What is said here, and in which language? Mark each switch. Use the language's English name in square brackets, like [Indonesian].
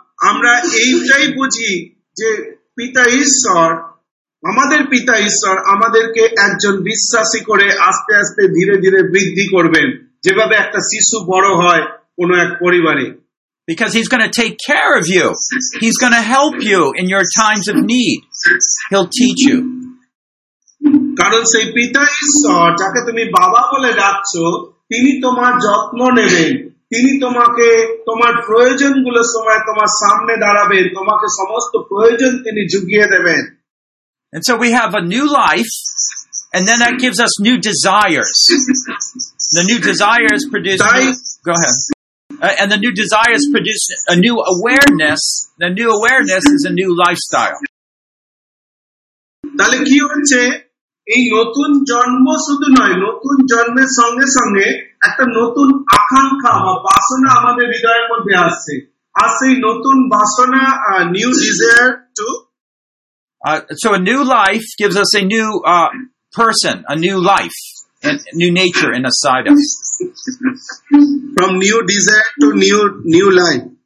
[Bangla] আমরা এইটাই বুঝি যে পিতা ঈশ্বর, আমাদের পিতা ঈশ্বর আমাদেরকে একজন বিশ্বাসী করে আস্তে আস্তে ধীরে ধীরে বৃদ্ধি করবেন, যেভাবে একটা শিশু বড় হয় কোনো এক পরিবারে। [English] Because he's going to take care of you. He's going to help you in your times of need. He'll teach you. [Bangla] কারণ সেই পিতা ঈশ্বর যাকে তুমি বাবা বলে ডাকছো, তিনি তোমার যত্ন নেবেন, তিনি তোমাকে তোমার প্রয়োজনগুলোর সময় তোমার সামনে দাঁড়াবেন, তোমাকে সমস্ত প্রয়োজন তিনি জুগিয়ে দেবেন। [English] And so we have a new life, and then that gives us new desires. The new desires produce... Go ahead. And the new desires produce a new awareness. The new awareness is a new lifestyle. [Bangla] তাহলে কি হচ্ছে, এই নতুন জন্ম শুধু নয়, নতুন জন্মের সঙ্গে সঙ্গে একটা নতুন আকাঙ্ক্ষা বা বাসনা আমাদের হৃদয়ের মধ্যে আসছে, আর সেই নতুন বাসনা [English] new desire to so new life gives us a new person, a new life and new nature in a side of from new desire to new life,